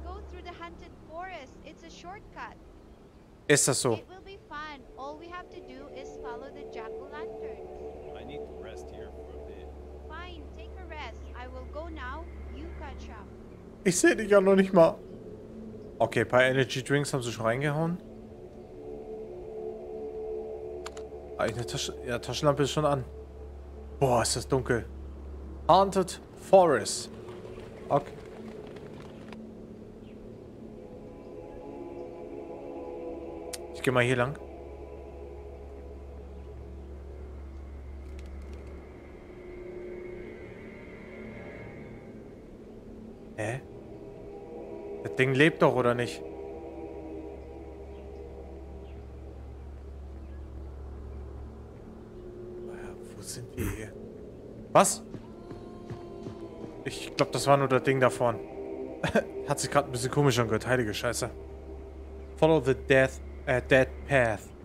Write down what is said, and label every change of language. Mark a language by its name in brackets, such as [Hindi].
[English] through the haunted forest. It's a shortcut. [German] Ist das so? [English] It will be fun. All we have to do is follow the jack-o'-lantern. I need to rest here for a bit. Fine, take a rest. I will go now. You catch up. [German] Ich sehe dich ja noch nicht mal. Okay, ein paar Energy Drinks haben sie schon reingehauen. Eine Tasche, ja, Taschenlampe ist schon an. Boah, ist das dunkel. Haunted Forest. Okay. Ich gehe mal hier lang. Hä? Das Ding lebt doch, oder nicht? Was? Ich glaube, das war nur das Ding da vorne. Hat sich gerade ein bisschen komisch angehört. Heilige Scheiße. [English] Follow the death, dead path.